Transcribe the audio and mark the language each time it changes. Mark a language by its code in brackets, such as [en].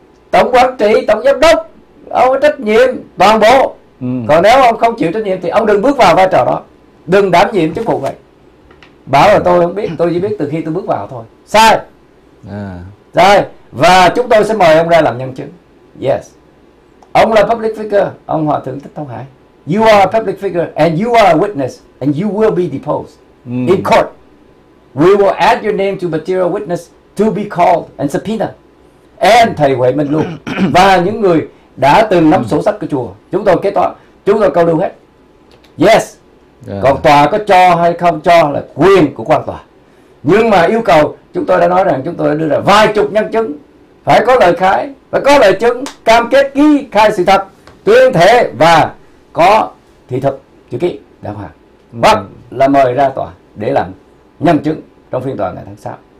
[vi] Tổng quản trị, tổng giám đốc, ông có trách nhiệm toàn bộ. Còn nếu ông không chịu trách nhiệm thì ông đừng bước vào vai trò đó, đừng đảm nhiệm chức vụ vậy. Bảo là tôi không biết, tôi chỉ biết từ khi tôi bước vào thôi, sai. Rồi, và chúng tôi sẽ mời ông ra làm nhân chứng. [en] Yes, [vi] ông là [en] public figure, ông Hòa Thượng Thích Thông Hải, you are a public figure and you are a witness and you will be deposed in court. We will add your name to material witness to be called and subpoena, [vi] and thầy Huệ Minh luôn và những người đã từng nắm sổ sách của chùa, chúng tôi kế toán, chúng tôi câu lưu hết. Yes. Còn tòa có cho hay không cho là quyền của quan tòa, nhưng mà yêu cầu, chúng tôi đã nói rằng chúng tôi đã đưa ra vài chục nhân chứng, phải có lời khai, phải có lời chứng, cam kết ghi khai sự thật, tuyên thệ và có thị thực chữ ký đàng hoàng, hoặc là mời ra tòa để làm nhân chứng trong phiên tòa ngày tháng 6.